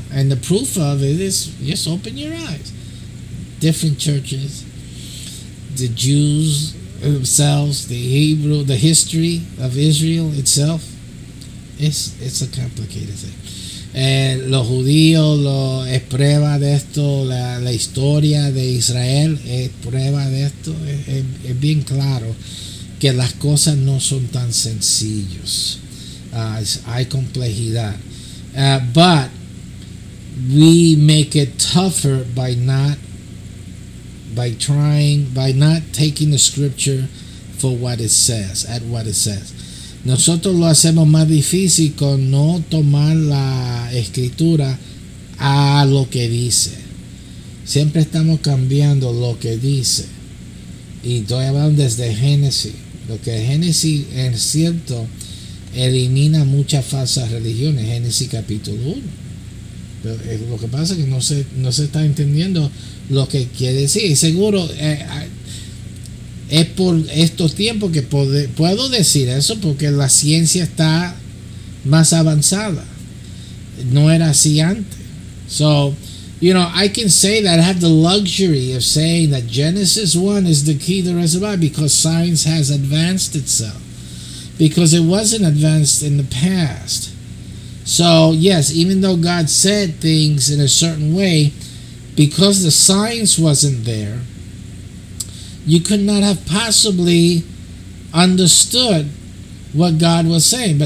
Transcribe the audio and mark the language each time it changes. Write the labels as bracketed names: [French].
[English] And the proof of it is, just open your eyes. Different churches. The Jews themselves, the Hebrew, the history of Israel itself, it's a complicated thing. [Spanish] Los judíos, es prueba de esto, la historia de Israel es prueba de esto. Es bien claro que las cosas no son tan sencillos. Hay complejidad. [English] But we make it tougher by not taking the scripture for what it says, at what it says. [Spanish] Nosotros lo hacemos más difícil con no tomar la escritura a lo que dice. Siempre estamos cambiando lo que dice. Y estoy hablando desde Génesis. Lo que Génesis, en cierto, elimina muchas falsas religiones. Génesis capítulo 1. Pero lo que pasa es que no se está entendiendo lo que quiere decir. Seguro es por estos tiempos que puedo decir eso, porque la ciencia está más avanzada. No era así antes. [English] So, you know, I can say that I have the luxury of saying that Genesis 1 is the key to Reservoir because science has advanced itself. Because it wasn't advanced in the past. So, yes, even though God said things in a certain way, because the science wasn't there, you could not have possibly understood what God was saying.